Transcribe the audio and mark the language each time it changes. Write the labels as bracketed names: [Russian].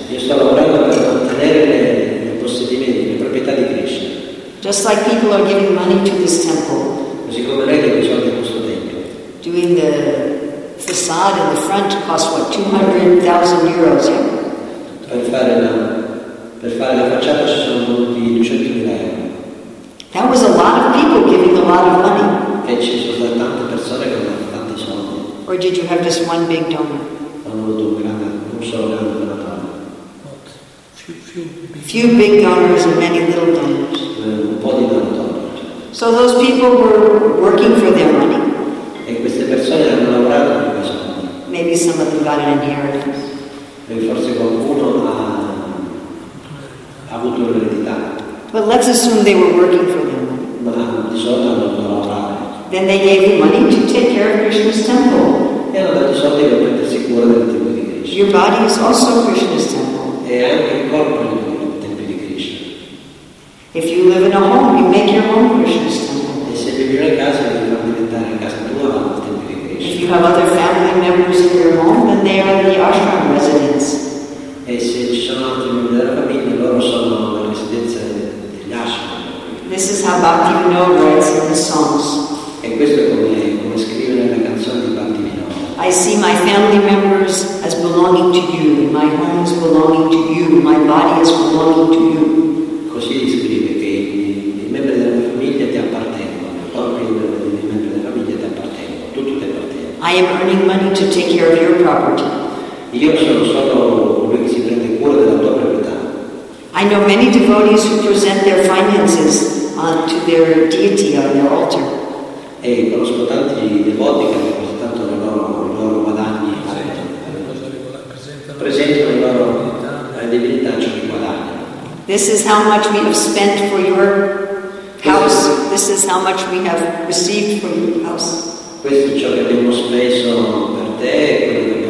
[Italian] Io sto lavorando per mantenere le possedimenti, le proprietà di Krishna. [English] Just like people are giving money to this temple. [Italian] Così come lei deve soldi a questo tempio. [English] Doing the facade in the front costs what, 200,000 euros, yeah? [Italian] Per fare la facciata ci sono voluti 200.000 euro. [English] That was a lot of people giving a lot of money. [Italian] E ci sono state tante persone che hanno dato tanti soldi. [English] Or did you have just one big donor? [Italian] Hanno avuto un solo grande donatore. [English] Few big donors and many little donors. [Italian] Un po' di donatori. [English] So those people were working for their money. [Italian] E queste persone hanno lavorato per questi soldi. [English] Maybe some of them got an inheritance. [Italian] E forse qualcuno ha avuto un'eredità. [English] But let's assume they were working for them. [Italian] Ma di solito hanno lavorato. [English] Then they gave you money to take care of Krishna's temple. [Italian] E hanno dato soldi per prendersi cura del tempio di Krishna. [English] Your body is also Krishna's temple. [Italian] E anche il corpo è il tempio di Krishna. [English] If you live in a home, you make your home Krishna's temple. [Italian] E se vivi in casa, devi far diventare casa tua il tempio di Krishna. [English] If you have other family members in your home, then they are the ashram. [Italian] E se ci sono altri membri della famiglia, loro sono la residenza degli ashram. [English] This is how Bhakti Vinod writes in his songs. [Italian] E questo è come scrive nella canzone di Bhakti Vinod. [English] I see my family members as belonging to you, my home is belonging to you, my body is belonging to you. [Italian] Così scrive che i membri della famiglia ti appartengono, i membri della famiglia ti appartengono, tutto ti appartiene. [English] I am earning money to take care of your property. [Italian] Io sono solo colui che si prende cura della tua proprietà. [English] I know many devotees who present their finances to their deity on their altar. [Italian] E conosco tanti devoti che presentano i loro guadagni. Presentano i loro divinità ciò che guadagnano. [English] This is how much we have spent for your house. This is how much we have received from your house. [Italian] Questo è ciò che abbiamo speso per te.